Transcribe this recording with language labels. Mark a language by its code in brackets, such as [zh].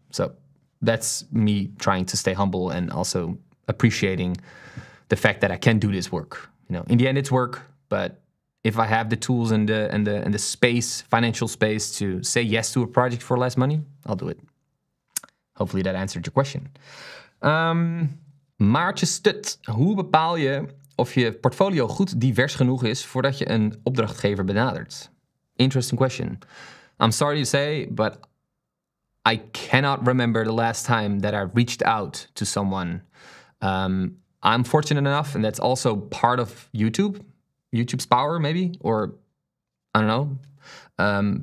[en] So that's me trying to stay humble and also appreciating the fact that I can do this work. You know, in the end, it's work. But if I have the tools and the space, financial space, to say yes to a project for less money, I'll do it. Hopefully, that answered your question. [nl] Maartje Stut, hoe bepaal je of je portfolio goed divers genoeg is voordat je een opdrachtgever benadert? [en] Interesting question. I'm sorry to say, but I cannot remember the last time that I reached out to someone. I'm fortunate enough, and that's also part of YouTube's power, maybe, or I don't know.